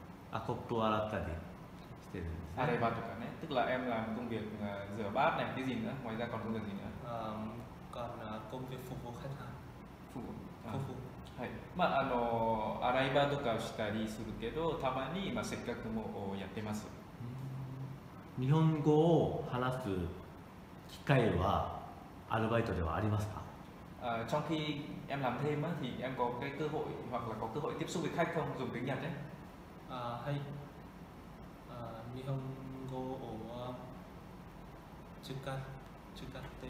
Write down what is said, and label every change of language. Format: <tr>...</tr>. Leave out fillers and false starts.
<ja>あ、コップを洗ったりしてるんですね。洗えばとかね。</ja> <vi>だから、em làm công việc rửa bát này, cái gì nữa? ngoài ra còn công việc gì nữa? còn công việc phục vụ khách hàng. phục vụ. phục vụ.</vi> <ja>はい。まあ、洗い場とかしたりするけど、たまに、まあ、接客もやってます。日本語を話す機会はアルバイトではありますか？</ja> <vi>trong khi em làm thêm thì em có cái cơ hội hoặc là có cơ hội tiếp xúc với khách không dùng tiếng Nhật đấy? Hay nhiều hơn cô ở Chukate Iman.</vi>